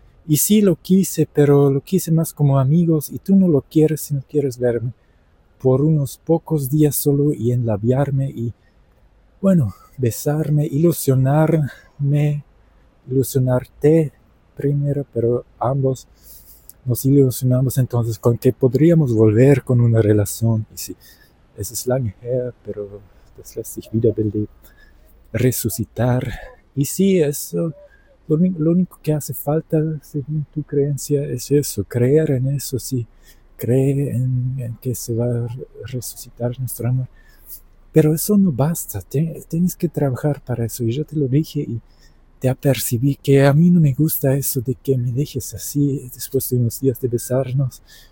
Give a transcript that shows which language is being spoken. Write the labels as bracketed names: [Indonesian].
[Spanish] Y sí lo quise, pero lo quise más como amigos. Y tú no lo quieres si no quieres verme por unos pocos días solo y enlabiarme y, bueno, besarme, ilusionarme, ilusionarte primero, pero ambos nos ilusionamos entonces con que podríamos volver con una relación. Y sí, [German] es lange her, [Spanish] pero [German] das lässt sich wiederbeleben, [Spanish] resucitar. Y sí, eso, lo único que hace falta, según tu creencia, es eso, creer en eso, sí. Cree en que se va a resucitar nuestro amor. Pero eso no basta, tienes que trabajar para eso. Y yo te lo dije y te apercibí que a mí no me gusta eso de que me dejes así después de unos días de besarnos.